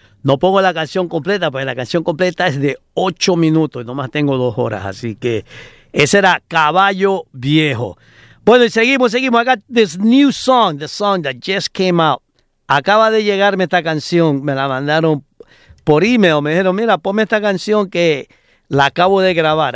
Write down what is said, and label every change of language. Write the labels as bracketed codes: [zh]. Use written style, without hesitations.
[es] No pongo la canción completa, porque la canción completa es de 8 minutos y nomás tengo 2 horas. Así que ese era Caballo Viejo. [en] Bueno, y seguimos. I got this new song, the song that just came out. [es] Acaba de llegarme esta canción. Me la mandaron por email. Me dijeron, mira, ponme esta canción que la acabo de grabar.